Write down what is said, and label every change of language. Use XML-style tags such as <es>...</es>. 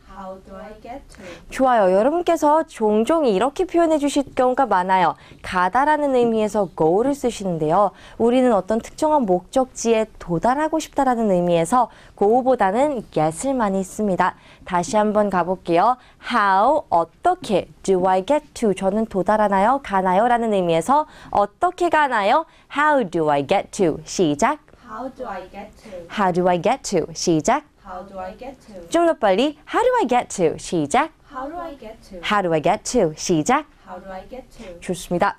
<en>How do I get to?</en> <ko>좋아요. 여러분께서 종종 이렇게 표현해 주실 경우가 많아요. 가다라는 의미에서 go를 쓰시는데요. 우리는 어떤 특정한 목적지에 도달하고 싶다라는 의미에서 go보다는 get을 많이 씁니다. 다시 한번 가볼게요.</ko> <en>How,</en> <ko>어떻게,</ko> <en>do I get to,</en> <ko>저는 도달하나요, 가나요? 라는 의미에서 어떻게 가나요?</ko> <en>How do I get to? 시작. How do I get to? How do I get to? 시작. How do I get to?</en> <ko>좀 더 빨리.</ko> <en>How do I get to? 시작. How do I get to? How do I get to? 시작. How do I get to?</en> <ko>좋습니다.</ko>